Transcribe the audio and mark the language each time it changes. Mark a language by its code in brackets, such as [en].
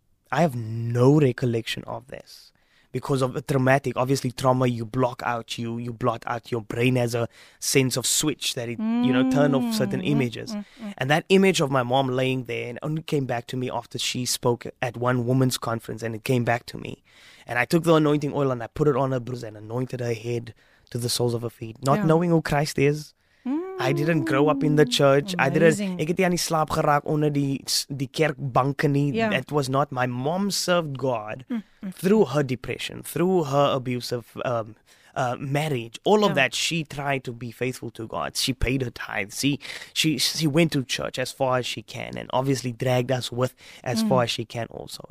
[en] I have no recollection of this. Because of a traumatic, obviously trauma, you block out, you blot out your brain as a sense of switch that it, you know, turn off certain images. And that image of my mom laying there, and only came back to me after she spoke at one woman's conference, and it came back to me. And I took the anointing oil and I put it on her bruise and anointed her head to the soles of her feet, not knowing who Christ is. I didn't grow up in the church. Amazing. I didn't. [af] Ek het nie aan die slaap geraak onder die kerkbanke nie. [en] That was not. My mom served God through her depression, through her abusive marriage. All of that, she tried to be faithful to God. She paid her tithes. She went to church as far as she can, and obviously dragged us with as far as she can also.